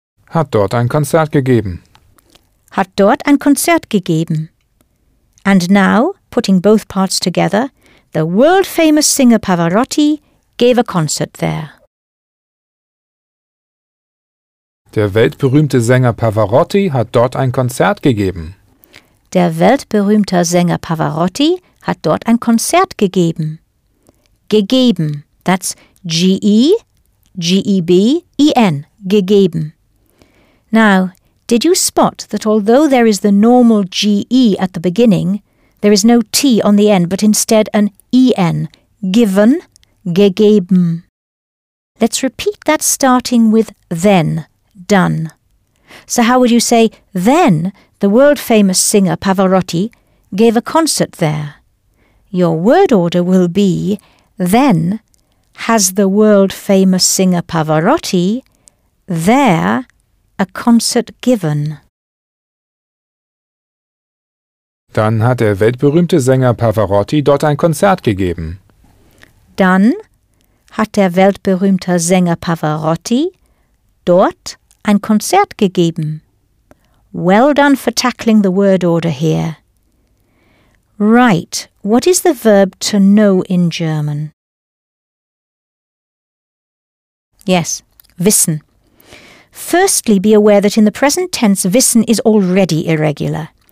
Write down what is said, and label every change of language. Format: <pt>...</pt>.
<de>Hat dort ein Konzert gegeben. Hat dort ein Konzert gegeben.</de> <en>And now, putting both parts together, the world-famous singer Pavarotti gave a concert there.</en> <de>Der weltberühmte Sänger Pavarotti hat dort ein Konzert gegeben. Der weltberühmte Sänger Pavarotti hat dort ein Konzert gegeben.</de> <en>Gegeben, that's G-E-G-E-B-E-N, gegeben. Now, did you spot that although there is the normal G-E at the beginning, there is no T on the end, but instead an E-N, given, gegeben. Let's repeat that starting with then, done. So how would you say, then the world-famous singer Pavarotti gave a concert there? Your word order will be, then has the world-famous singer Pavarotti there a concert given?</en> <de>Dann hat der weltberühmte Sänger Pavarotti dort ein Konzert gegeben. Dann hat der weltberühmte Sänger Pavarotti dort ein Konzert gegeben.</de> <en>Well done for tackling the word order here. Right, what is the verb to know in German? Yes, wissen. Firstly, be aware that in the present tense, wissen is already irregular.</en>